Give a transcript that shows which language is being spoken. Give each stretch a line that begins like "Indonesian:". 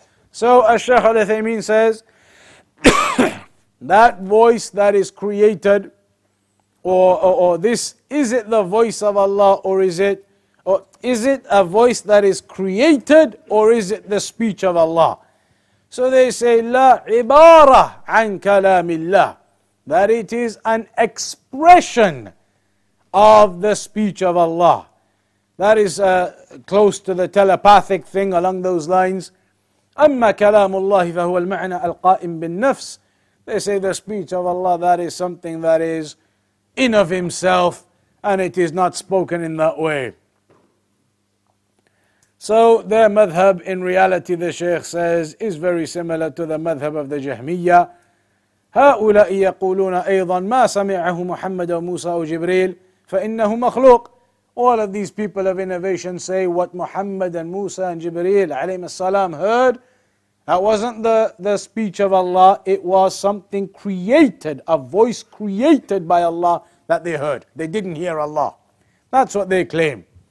English: So Shaykh Al-Uthaymeen says, that voice that is created, or this, is it the voice of Allah, or is it a voice that is created, or is it the speech of Allah? So they say,
Arabic: لا عبارة عن كلام الله,
English: that it is an expression of the speech of Allah. That is close to the telepathic thing along those lines.
Arabic: أما كلام الله فهو المعنى القائم بالنفس.
English: They say the speech of Allah, that is something that is in of Himself, and it is not spoken in that way. So their madhab, in reality, the Shaykh says, is very similar to the madhab of the Jahmiyyah.
Arabic: هؤلاء يقولون أيضا ما سمعه محمد أو موسى أو جبريل فإنه مخلوق.
English: All of these people of innovation say what Muhammad and Musa and Jibreel
Arabic: عليهم السلام
English: heard, that wasn't the speech of Allah, it was something created, a voice created by Allah that they heard. They didn't hear Allah. That's what they claim.